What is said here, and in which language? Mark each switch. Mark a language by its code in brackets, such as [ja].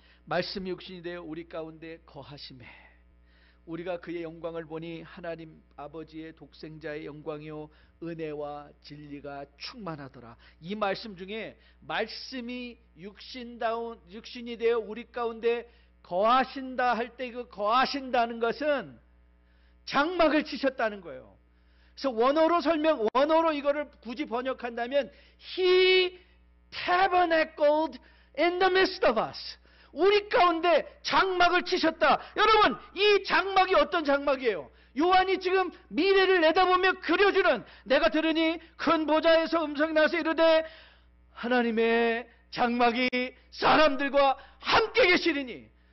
[ko] 말씀 육신이 되어 우리 가운데 거하시매 우리가 그의 영광을 보니 하나님 아버지의 독생자의 영광이요 은혜와 진리가 충만하더라. 이 말씀 중에 말씀이 육신이 되어 우리 가운데 거하신다 할때그 거하신다는 것은 장막을 치셨다는 거예요. 그래서 원어로 이거를 굳이 번역한다면 [en] He tabernacled in the midst of us. [ko] 우리 가운데 장막을 치셨다. 여러분, 이 장막이 어떤 장막이에요? 요한이 지금 미래를 내다보며 그려주는 내가 들으니 큰 보좌에서 음성이 나서 이르되 하나님의 장막이 사람들과 함께 계시리니.